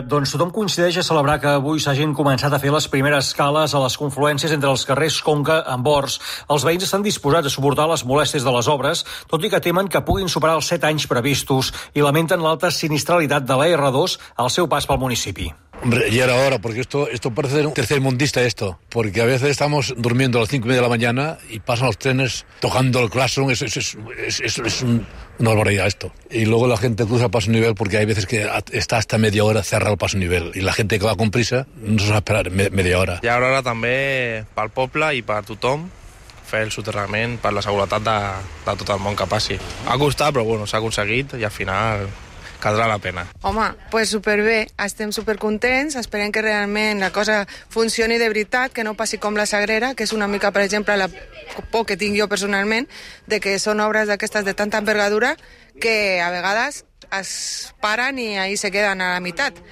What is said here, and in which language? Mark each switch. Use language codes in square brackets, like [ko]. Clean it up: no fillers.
[ca] Doncs tothom coincideix a celebrar que avui s'hagin començat a fer les primeres escales a les confluències entre els carrers Conca i Bors. Els veïns estan disposats a suportar les molèsties de les obres, tot i que temen que puguin superar els 7 anys previstos i lamenten l'alta sinistralitat de la R2 al seu pas pel municipi. [es] Hombre, ya era hora, porque esto parece un tercer mundista esto, porque a veces estamos durmiendo a las 5:30 de la mañana y pasan los trenes tocando el claxon, es una barbaridad esto. Y luego la gente cruza paso nivel porque hay veces que está hasta media hora cerrado el paso nivel y la gente que va con prisa no se va a esperar media hora. Y ahora [ca] també pel poble i per tothom fer el soterrament per la seguretat de tot el món que passi. Ha costat, però bueno, s'ha aconseguit i al final caldrà la pena. Home, pues superbé, estem supercontents, esperem que realment la cosa funcioni de veritat, que no passi com la Sagrera, que és una mica, per exemple, la por que tinc jo personalment, de que són obres d'aquestes de tanta envergadura que a vegades es paren i [es] ahí se queden [ca] a la meitat.